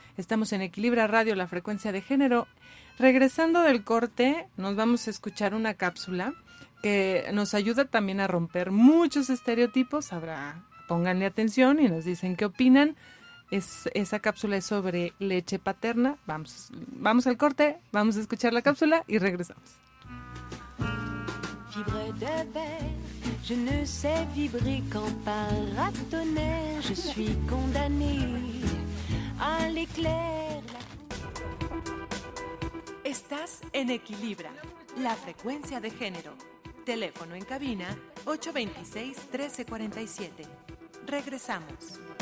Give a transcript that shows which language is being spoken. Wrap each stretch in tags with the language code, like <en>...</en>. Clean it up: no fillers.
<es>Estamos en Equilibra Radio, la frecuencia de género. Regresando del corte, nos vamos a escuchar una cápsula que nos ayuda también a romper muchos estereotipos. Pónganle atención y nos dicen qué opinan. Esa cápsula es sobre leche paterna. Vamos al corte, vamos a escuchar la cápsula y regresamos.</es> <fr>Fibre de verre, je ne sais vibrer qu'en paratonnerre. Je suis condamnée à l'éclair.</fr> <es>Estás en Equilibra, la frecuencia de género. Teléfono en cabina 826-1347. Regresamos.</es>